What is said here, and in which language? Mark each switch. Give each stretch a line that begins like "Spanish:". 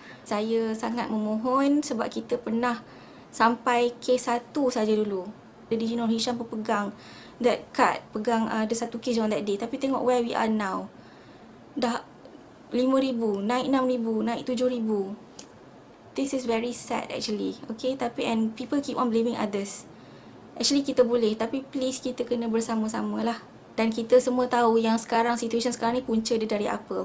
Malay: Saya sangat memohon, sebab kita pernah sampai kes satu saja dulu. Jadi Jinor Hisham pun pegang
English: that card,
Malay: pegang ada satu kes
English: on that day.
Malay: Tapi tengok
English: where we are now.
Malay: Dah 5,000, naik 6,000, naik 7,000.
English: This is very sad actually. Okay, tapi and people keep on blaming others.
Malay: Actually kita boleh, tapi please kita kena bersama-sama lah. Dan kita semua tahu yang sekarang, situation sekarang ni punca dia dari apa.